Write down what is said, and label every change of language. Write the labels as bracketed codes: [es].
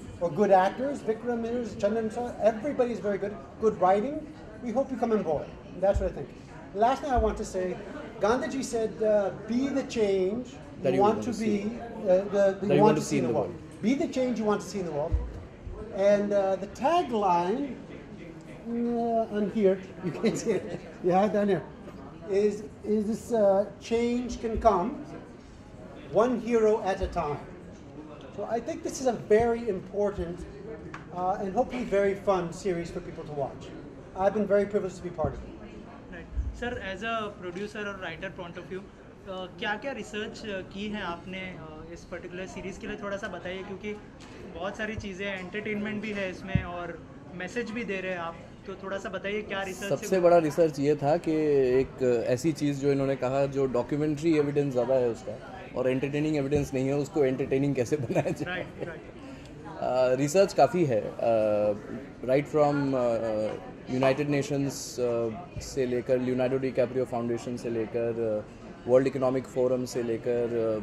[en] और good actors Vikram Mirza Chandan sir everybody is very good writing we hope you come on board that's what I think Last thing I want to say, Gandhiji said, be the change that you want to be, you want to see in the world. Be the change you want to see in the world. And the tagline, on here, you can see it, yeah, down here, is this, change can come one hero at a time. So I think this is a very important and hopefully very fun series for people to watch. I've been very privileged to be part of it. [hi] Sir as a producer और writer point of view क्या क्या research की है आपने इस particular series के लिए थोड़ा सा बताइए क्योंकि बहुत सारी चीज़ें एंटरटेनमेंट भी है इसमें और मैसेज भी दे रहे हैं आप तो थोड़ा सा बताइए क्या रिसर्च सबसे बड़ा रिसर्च ये था कि एक ऐसी चीज़ जो इन्होंने कहा जो डॉक्यूमेंट्री एविडेंस ज़्यादा है उसका और एंटरटेनिंग एविडेंस नहीं है उसको एंटरटेनिंग कैसे बनाया जाए रिसर्च काफ़ी है राइट फ्रॉम यूनाइटेड नेशंस से लेकर लियोनार्डो डिकैप्रियो फाउंडेशन से लेकर वर्ल्ड इकोनॉमिक फोरम से लेकर